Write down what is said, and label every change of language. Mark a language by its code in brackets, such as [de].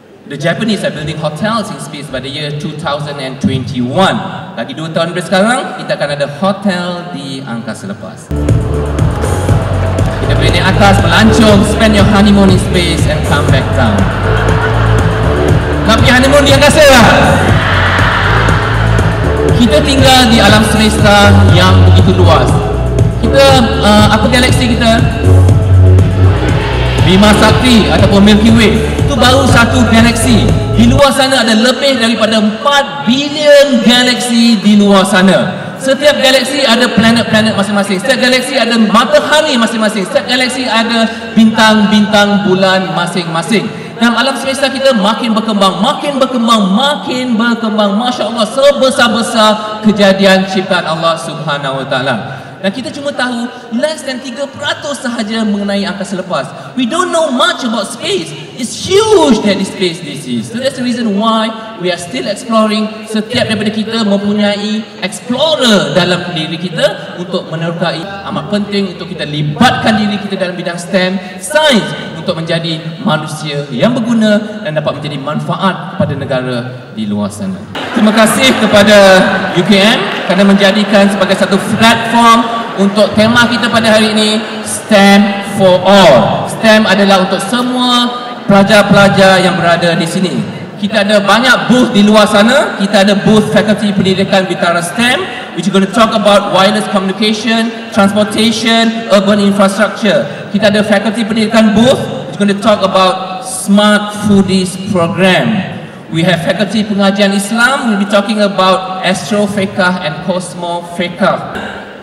[en] The Japanese are building hotels in space by the year 2021. [ms] Lagi 2 tahun dari sekarang, kita akan ada hotel di angkasa lepas. Kita boleh naik atas, melancong, [en] spend your honeymoon in space and come back down. [ms] Tapi honeymoon di angkasa lah. Kita tinggal di alam semesta yang begitu luas. Kita, apa galaksi kita? Bima Sakti ataupun Milky Way. Itu baru satu galaksi. Di luar sana ada lebih daripada 4 bilion galaksi di luar sana. Setiap galaksi ada planet-planet masing-masing. Setiap galaksi ada matahari masing-masing. Setiap galaksi ada bintang-bintang bulan masing-masing. Dan alam semesta kita makin berkembang, makin berkembang, makin berkembang. Masya Allah, sebesar-besar kejadian ciptaan Allah Subhanahu Wa Taala. Dan kita cuma tahu [en] less than 3% [ms] sahaja mengenai angkasa lepas. [en] We don't know much about space. It's huge that this space this is. So that's the reason why we are still exploring. [ms] Setiap daripada kita mempunyai explorer dalam diri kita untuk menerkai. Amat penting untuk kita libatkan diri kita dalam bidang STEM, sains, untuk menjadi manusia yang berguna dan dapat menjadi manfaat pada negara di luar sana. Terima kasih kepada UKM kerana menjadikan sebagai satu platform untuk tema kita pada hari ini, STEM for All. STEM adalah untuk semua pelajar-pelajar yang berada di sini. Kita ada banyak booth di luar sana. Kita ada booth [en] Fakulti Pendidikan Bintara STEM, which is going to talk about wireless communication, transportation, urban infrastructure. [ms] Kita ada [en] Fakulti Pendidikan booth, which is going to talk about Smart Foodies program. We have Fakulti Pengajian Islam, we'll be talking about Astrofekah and Cosmofekah.